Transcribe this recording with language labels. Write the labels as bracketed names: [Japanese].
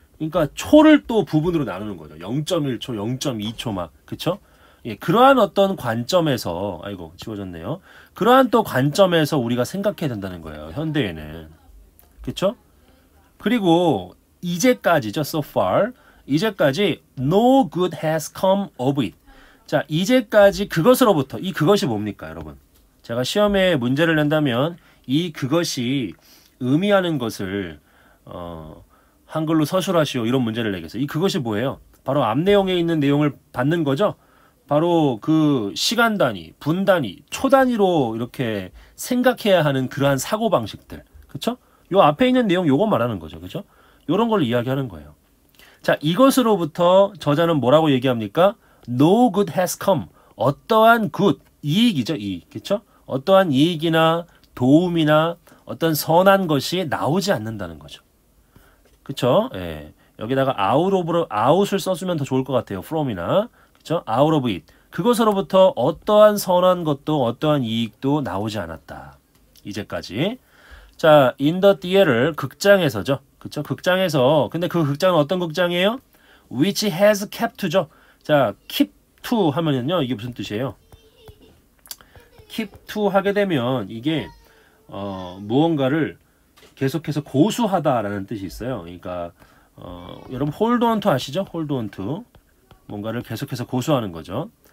[Korean] 그러니까 초를 또 부분으로 나누는 거죠. 0.1초, 0.2초 막, 그쵸? 예, 그러한 어떤 관점에서, 아이고, 지워졌네요. 그러한 또 관점에서 우리가 생각해야 된다는 거예요, 현대에는. 그쵸? 그리고 이제까지죠, [English] so far. [Korean] 이제까지 [English] no good has come of it. [Korean] 자, 이제까지 그것으로부터, 이 그것이 뭡니까, 여러분? 제가 시험에 문제를 낸다면 이 그것이 의미하는 것을 한글로 서술하시오, 이런 문제를 내겠어요. 이 그것이 뭐예요? 바로 앞 내용에 있는 내용을 받는 거죠? 바로 그 시간 단위, 분 단위, 초 단위로 이렇게 생각해야 하는 그러한 사고방식들, 그렇죠? 이 앞에 있는 내용 요거 말하는 거죠, 그렇죠? 이런 걸 이야기하는 거예요. 자, 이것으로부터 저자는 뭐라고 얘기합니까? [English] No good has come. [Korean] 어떠한 good, 이익이죠, 이익, 그렇죠? 어떠한 이익이나 도움이나 어떤 선한 것이 나오지 않는다는 거죠. 그렇죠? 예. 여기다가 out을 써주면 더 좋을 것 같아요. From이나. 그렇죠? [English] Out of it. [Korean] 그것으로부터 어떠한 선한 것도 어떠한 이익도 나오지 않았다. 이제까지. [English] 자, in the theater, [Korean] 극장에서죠. 그렇죠? 극장에서. 근데 그 극장은 어떤 극장이에요? [English] Which has kept [Korean] 죠. 자, keep to 하면은요. 이게 무슨 뜻이에요? Keep to 하게 되면 이게 무언가를 계속해서 고수하다라는 뜻이 있어요. 그러니까 여러분 hold on to 아시죠? Hold on to 뭔가를 계속해서 고수하는 거죠.